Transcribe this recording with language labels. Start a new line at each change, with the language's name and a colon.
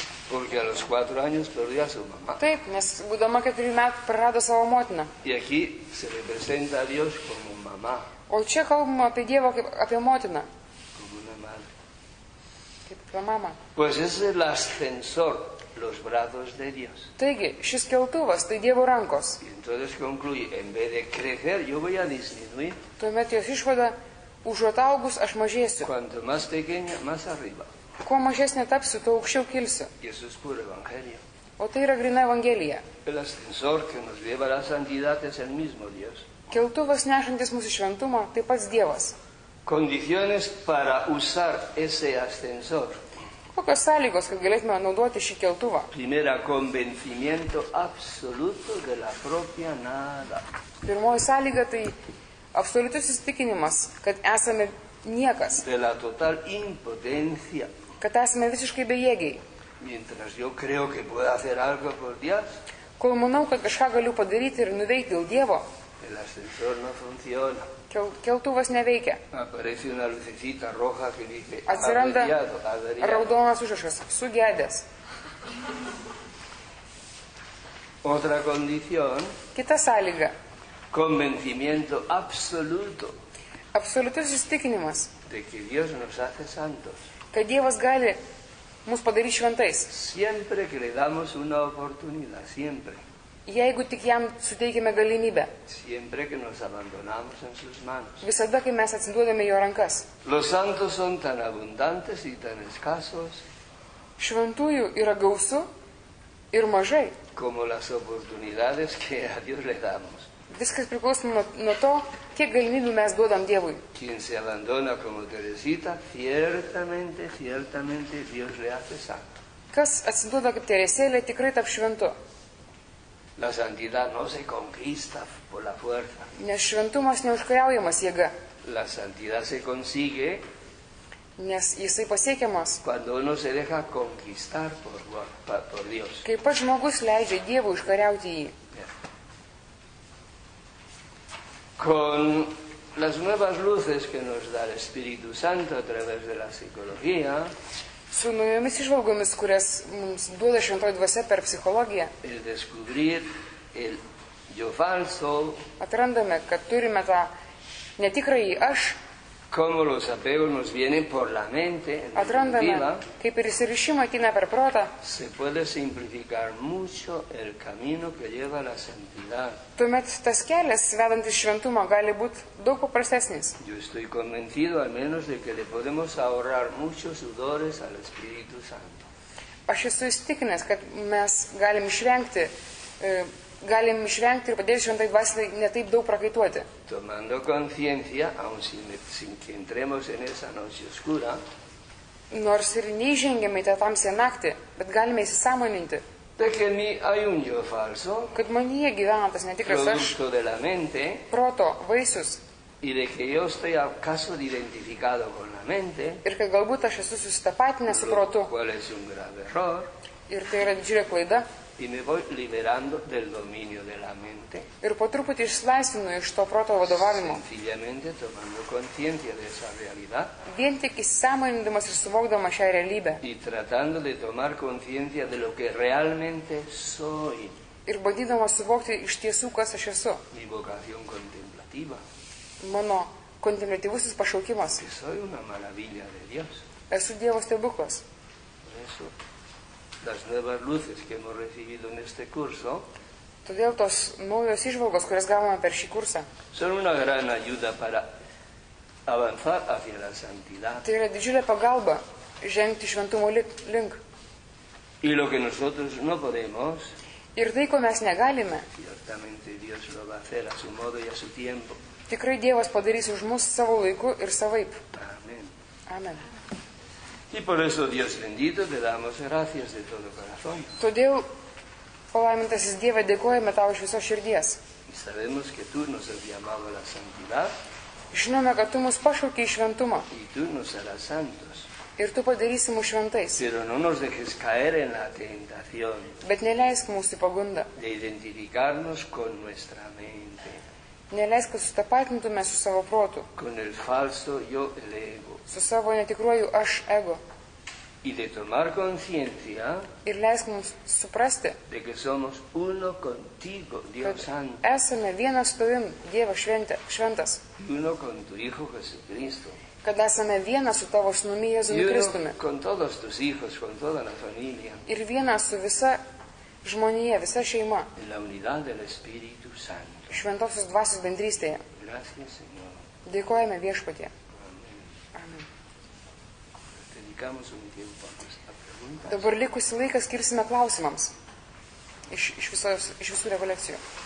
Spanish: Porque a los 4 años perdió a su mamá.
Lithuanian: Taip, nes būdama 4 metų prarado savo motiną.
Spanish: Y aquí se representa a Dios como mamá.
Lithuanian: O čia kalbama apie Dievą kaip apie motiną.
Spanish: Como una madre.
Lithuanian: Kaip apie mamą.
Spanish: Pues es el ascensor, los brazos de Dios.
Lithuanian: Taigi, šis keltuvas, tai Dievo rankos.
Spanish: Y entonces concluye, en vez de crecer, yo voy a disminuir.
Lithuanian: Tuomet jos išvada, užuot augus, aš mažėsiu.
Spanish: Cuanto más pequeño, más arriba.
Lithuanian: Kuo mažesnė tapsiu, tuo aukščiau kilsiu.
Spanish: Jesus pura evangelija.
Lithuanian: O tai yra grina evangelija.
Spanish: El ascensor que nos lleva a la santidad es el mismo Dios.
Lithuanian: Keltuvas nešantis mūsų šventumą, tai pats Dievas.
Spanish: Condiciones para usar ese ascensor.
Lithuanian: Kokios sąlygos, kad galėtume naudoti šį keltuvą?
Spanish: Primera, convencimiento absoluto de la propia nada.
Lithuanian: Pirmoji sąlyga, tai absoliutus įsitikinimas, kad esame niekas.
Spanish: De la total impotencia.
Lithuanian: Kad esame visiškai bejėgiai.
Spanish: Mientras yo creo que puedo hacer algo por Dios.
Lithuanian: Kol manau, kad kažką galiu padaryti ir nuveikti dėl Dievo.
Spanish: El ascensor no funciona.
Lithuanian: Keltuvas neveikia.
Spanish: Aparece una lucecita roja que dice,
Lithuanian: atsiranda raudonas užrašas, sugedęs.
Spanish: Otra condición.
Lithuanian: Kita sąlyga.
Spanish: Convencimiento absoluto.
Lithuanian: Absoliutus įsitikinimas.
Spanish: De que Dios nos hace santos.
Lithuanian: Kad Dievas gali mus padaryti šventais.
Spanish: Siempre que le damos una oportunidad, siempre.
Lithuanian: Jeigu tik jam suteikime galimybę.
Spanish: Siempre que nos abandonamos en sus manos.
Lithuanian: Visada, kai mes atsiduodame jo rankas.
Spanish: Los santos son tan abundantes y tan escasos.
Lithuanian: Šventųjų yra gausu ir mažai.
Spanish: Como las oportunidades que a Dios le damos.
Lithuanian: Viskas priklauso nuo to, kiek galimybių mes duodam Dievui.
Spanish: Quien se abandona como Teresita, ciertamente, ciertamente Dios le hace santo.
Lithuanian: Kas atsiduoda kaip Teresėlė, tikrai tap šventu.
Spanish: La santidad no se conquista por la fuerza.
Lithuanian: Nes šventumas neužkariaujamas jėga.
Spanish: La santidad se consigue.
Lithuanian: Nes jisai pasiekiamas.
Spanish: Cuando uno se deja conquistar por Dios.
Lithuanian: Kai pats žmogus leidžia Dievui užkariauti jį.
Spanish: Con las nuevas luces que nos da el Espíritu Santo a través de la psicología.
Lithuanian: Su naujomis išvalgomis, kurias mums duoda šventoji dvasia per psichologiją.
Spanish: El descubrir el yo falso.
Lithuanian: Atrandame, kad turime tą netikrąjį aš.
Spanish: Como los apegos nos vienen por la mente.
Lithuanian: Atrandame, kaip ir įsirišimo atina per protą.
Spanish: Se puede simplificar mucho el camino que lleva la santidad.
Lithuanian: Tuomet tas kelias, vedantis šventumą, gali būti daug paprastesnis.
Spanish: Yo estoy convencido al menos de que le podemos ahorrar muchos sudores al Espíritu Santo.
Lithuanian: Aš esu įstikinęs, kad mes galim išvengti ir padėti šventai dvasiai netaip daug prakaituoti.
Spanish: Tomando conciencia, aun sin que entremos en esa noche oscura,
Lithuanian: nors ir neįžengiame į tą tamsią naktį, bet galime įsisąmoninti, kad manyje gyvena tas netikras aš, proto vaisius,
Spanish: y de que yo estoy acaso identificado con la mente,
Lithuanian: ir kad galbūt aš esu susitapatinęs su protu,
Spanish: cual es un grave error,
Lithuanian: ir tai yra didžiulė klaida,
Spanish: y me voy liberando del dominio de la mente.
Lithuanian: Ir po truputį išsilaisvinu iš to proto vadovavimo.
Spanish: Sencillamente tomando conciencia de esa realidad.
Lithuanian: Vien tik įsisąmonindamas ir suvokdamas šią realybę.
Spanish: Y tratando de tomar conciencia de lo que realmente soy.
Lithuanian: Ir bandydamas suvokti iš tiesų, kas aš esu.
Spanish: Mi vocación contemplativa.
Lithuanian: Mano kontemplatyvusis pašaukimas.
Spanish: Que soy una maravilla de Dios.
Lithuanian: Esu Dievo stebuklas.
Spanish: Eso. Las nuevas luces que hemos recibido en este curso.
Lithuanian: Todėl tos naujos išvalgos, kurias gavome per šį kursą.
Spanish: Son una gran ayuda para avanzar hacia la santidad.
Lithuanian: Tai yra didžiulė pagalba žengti šventumo link.
Spanish: Y lo que nosotros no podemos.
Lithuanian: Ir tai, ko mes negalime.
Spanish: Ciertamente Dios lo va a hacer a su modo y a su tiempo.
Lithuanian: Tikrai Dievas padarys už mus savo laiku ir savaip.
Spanish: Amen.
Lithuanian: Amen.
Spanish: Y por eso, Dios bendito, te damos gracias de todo corazón.
Lithuanian: Todėl, palaimintasis Dieve, dėkojame tau iš visos širdies.
Spanish: Y sabemos que tú nos has llamado a la santidad.
Lithuanian: Žinome, kad tu mus pašaukė į šventumą.
Spanish: Y tú nos harás santos.
Lithuanian: Ir tu padarysi mus šventais.
Spanish: Pero no nos dejes caer en la tentación.
Lithuanian: Bet neleisk mūsų į pagundą.
Spanish: De identificarnos con nuestra mente.
Lithuanian: Neleisk, kad sustapatintume su savo protu.
Spanish: Con el falso yo, el ego.
Lithuanian: Su savo netikruoju aš ego.
Spanish: Y de tomar conciencia.
Lithuanian: Ir leisk mums suprasti.
Spanish: De que somos uno contigo, Dios Santo.
Lithuanian: Esame vienas su tavim, Dievas šventas.
Spanish: Uno con tu Hijo Jesucristo.
Lithuanian: Kad esame vienas su tavo sūnumi Jėzumi Kristumi.
Spanish: Uno con todos tus hijos, con toda la familia.
Lithuanian: Ir vienas su visa žmonija, visa šeima.
Spanish: En la unidad del Espíritu Santo.
Lithuanian: Šventosios dvasios bendrystėje.
Spanish: Gracias, Señor.
Lithuanian: Dėkojame Viešpatie. Dabar likusį laiką skirsime klausimams iš visų rekolekcijų.